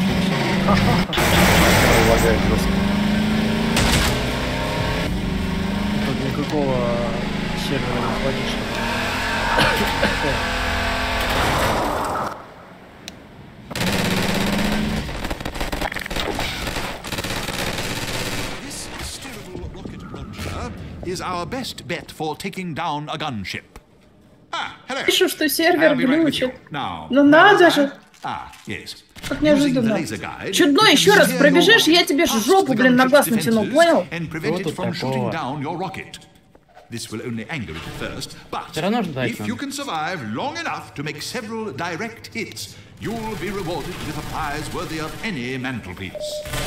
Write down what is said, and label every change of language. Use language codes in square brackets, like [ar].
[ru] Улагает жестко. Никакого сервера не хватит. [en] This steerable rocket launcher is our best bet for taking down a gunship. [ru] Пишу, что сервер глючит. Ну надо же! [en] Yes. [ru] Как неожиданно. Чудно, еще раз пробежишь, я тебе жопу, блин, на глаз натяну, понял? [en] Вот this will only anger it at first, but if you can survive long enough to make several direct hits, you'll be rewarded with a prize worthy of any mantelpiece.